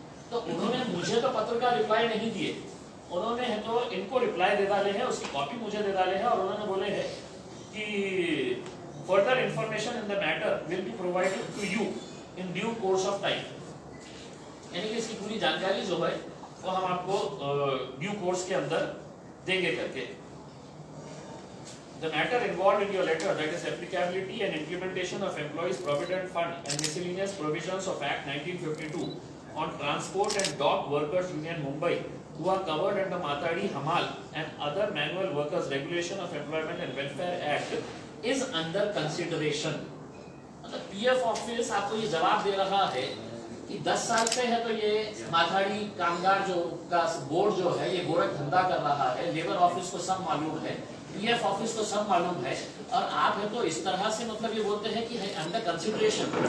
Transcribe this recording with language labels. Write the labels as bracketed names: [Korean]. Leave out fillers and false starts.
[Hindi] तो उन्होंने मुझे तो पत्र का रिप्लाई नहीं दिए, उन्होंने तो इनको रिप्लाई दे डाले हैं, उसकी कॉपी मुझे दे डाले हैं, और उन्होंने बोले हैं कि [English] further information in the matter will be provided to you in due course of time, [Hindi] यानी कि इसकी पूरी जानकारी जो है वो हम आपको ड्यू कोर्स के अंदर देंगे करके। [English] The matter involved in your letter, that is applicability and implementation of employees provident fund and miscellaneous provisions of Act 1952 on transport and dock workers union Mumbai who are covered under Mathadi Hamal and other manual workers regulation of employment and welfare act is under consideration. The PF office [Hindi] आपको ये जवाब दे रहा है कि 10 साल से है तो ये Mathadi कामगार जो का बोर्ड जो है ये गोरख धंधा कर रहा है, लेबर ऑफिस को सब मालूम है, पीएफ ऑफिस को सब मालूम है, और आप है तो इस तरह से मतलब ये बोलते हैं कि अंडर कंसिडरेशन,